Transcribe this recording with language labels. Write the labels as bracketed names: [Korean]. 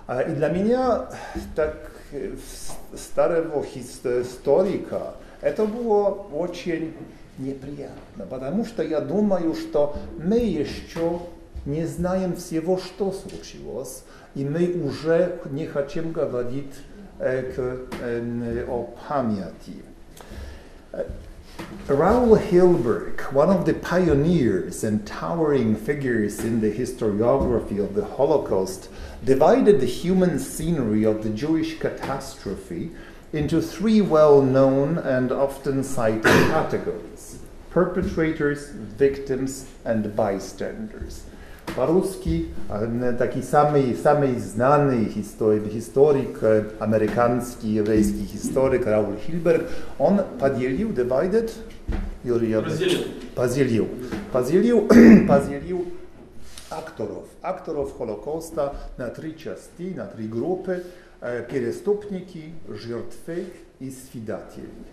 [Russian] И для меня, так старого историка, это было очень неприятно, потому что я думаю, что мы еще не знаем всего, что случилось, и мы уже не хотим говорить о памяти. [English] Raoul Hilberg, one of the pioneers and towering figures in the historiography of the Holocaust, divided the human scenery of the Jewish catastrophe into three well-known and often cited categories: perpetrators, victims, and bystanders. [Russian] По-русски, такой самый знаный историк, американский еврейский историк Рауль Хильберг, он разделил акторов Холокоста на три части, на три группы: преступники, жертвы и свидетели.